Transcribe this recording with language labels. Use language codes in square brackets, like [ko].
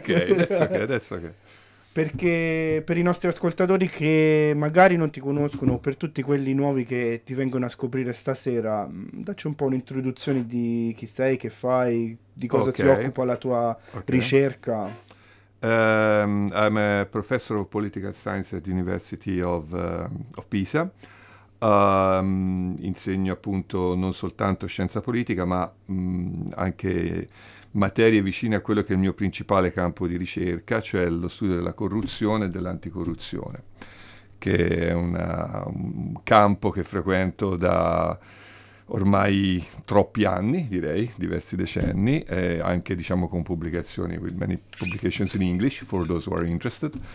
[it] che, adesso che, adesso che. Perché per i nostri ascoltatori che magari non ti conoscono, o per tutti quelli nuovi che ti vengono a scoprire stasera, dacci un po' un'introduzione di chi sei, che fai, di cosa si occupa la tua ricerca. [en] I'm a professor of political science at the University of Pisa. [it] Insegno appunto non soltanto scienza politica, ma anche materie vicine a quello che è il mio principale campo di ricerca, cioè lo studio della corruzione e dell'anticorruzione, che è un campo che frequento da ormai troppi anni, direi, diversi decenni, anche diciamo con pubblicazioni, [en] with many publications in English for those who are interested.